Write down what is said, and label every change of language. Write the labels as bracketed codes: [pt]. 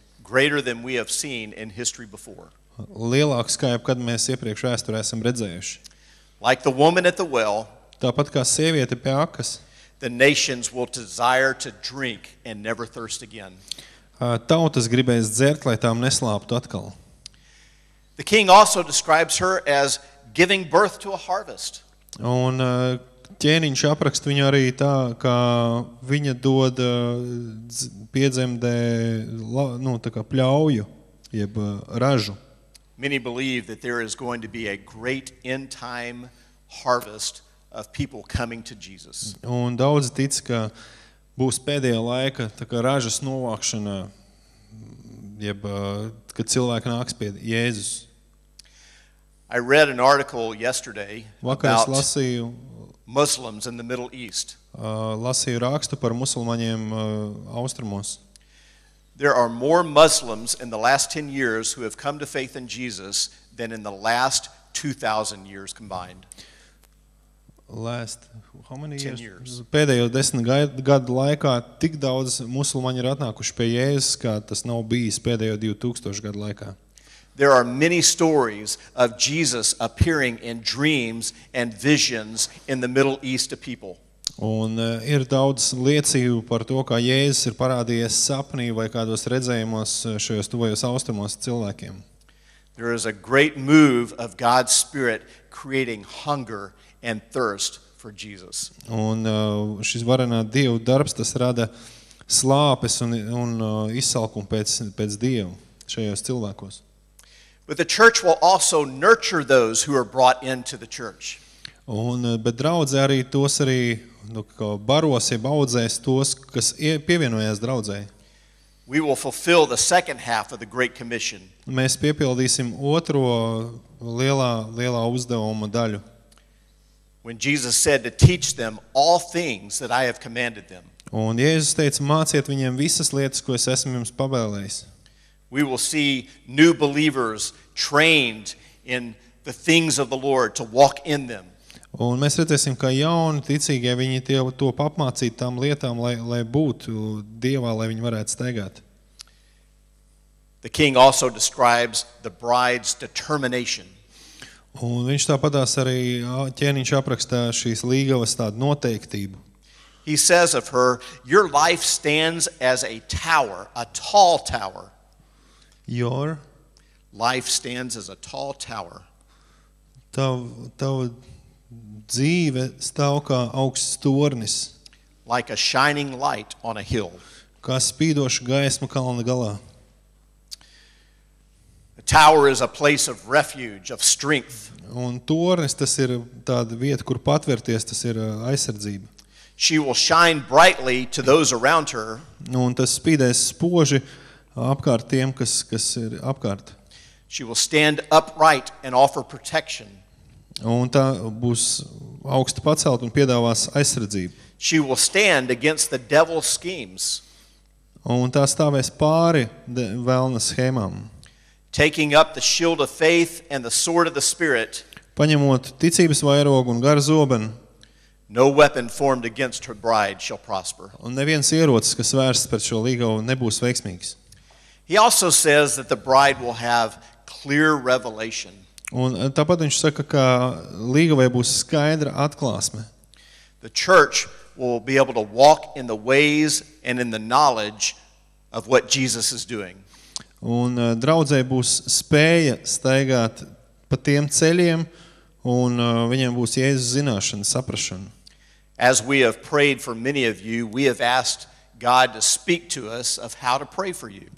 [en] Greater than we have seen in history before. [lv] Lielāks kā jebkad mēs iepriekš vēsturē esam redzējuši. [en] Like the woman at the well. [lv] Tāpat kā sieviete pie akas. [en] The nations will desire to drink and never thirst again. [lv] Tautas gribēs dzert, lai tām neslāptu atkal. [en] The king also describes her as giving birth to a harvest. [lv] Un ķēniņš aprakst viņu arī tā, ka viņa dod piedzemdē, nu, tā kā pļauju, jeb ražu. [en] Many believe that there is going to be a great end-time harvest of people coming to Jesus. [lv] Un daudz tic, ka būs pēdējā laika, tā kā ražas novākšana, jeb, kad cilvēki nāks pie Jēzus. [en] I read an article yesterday [lv] Vakar [en] about [lv] lasīju, [en] Muslims in the Middle East. [lv] Lasīju rakstu par musulmaņiem austrumos. [en] There are more Muslims in the last 10 years who have come to faith in Jesus than in the last 2,000 years combined. Last how many years? [lv] Pēdējo 10 gadu laikā tik daudz musulmaņu ir atnākuši pie Jēzus, kā tas nav bijis pēdējo 2000 gadu laikā. [en] There are many stories of Jesus appearing in dreams and visions in the Middle East to people. [lv] Un ir daudz liecību par to, kā Jēzus ir parādījies sapnī vai kādos redzējumos šajos tuvajos austrumos cilvēkiem. [en] There is a great move of God's Spirit creating hunger and thirst for Jesus. [lv] Un šis varenā Dieva darbs, tas rada slāpes un izsalkumu pēc Dieva šajos cilvēkos. [en] But the church will also nurture those who are brought into the church. [lv] Un bet draudze arī tos arī nu, kā baros jeb audzēs tos, kas pievienojās draudzei. [en] We will fulfill the second half of the Great Commission. [lv] Mēs piepildīsim otro lielā uzdevuma daļu. [en] When Jesus said to teach them all things that I have commanded them. [lv] Un Jēzus teica, māciet viņiem visas lietas, ko es esmu jums pavēlējis. [en] We will see new believers trained in the things of the Lord to walk in them. [lv] Un mēs redzēsim, ka jauni ticīgie viņi to papmācīt tām lietām, lai būtu Dievā, lai viņi varētu staigāt. [en] The king also describes the bride's determination. [lv] Un viņš tāpatās arī ķēniņš aprakstā šīs līgavas tādu noteiktību. [en] He says of her, your life stands as a tower, a tall tower. Your life stands as a tall tower. [lv] Tava dzīve stāv kā augsts tornis. [en] Like a shining light on a hill. [lv] Kā spīdoša gaisma kalna galā. [en] A tower is a place of refuge, of strength. [lv] Un tornis, tas ir tāda vieta, kur patvērties, tas ir aizsardzība. [en] She will shine brightly to those around her. [lv] Un tas spīdēs spoži apkārt tiem, kas ir apkārt. [en] She will stand upright and offer protection. [lv] Un tā būs augsti pacelt un piedāvās aizsardzību. [en] She will stand against the devil's schemes. [lv] Un tā stāvēs pāri velna schēmām. [en] Taking up the shield of faith and the sword of the spirit. [lv] Paņemot ticības vairogu un gara zobenu. [en] No weapon formed against her bride shall prosper. [lv] Un neviens ierocis, kas vērsts pret šo līgavu, nebūs veiksmīgs. [en] He also says that the bride will have clear revelation. [lv] Un tāpat viņš saka, ka līgavai būs skaidra atklāsme. [en] The church will be able to walk in the ways and in the knowledge of what Jesus is doing. [lv] Un draudzei būs spēja staigāt pa tiem ceļiem, un viņiem būs Jēzus zināšana, saprašana. [en] As we have prayed for many of you, we have asked God to speak to us of how to pray for you.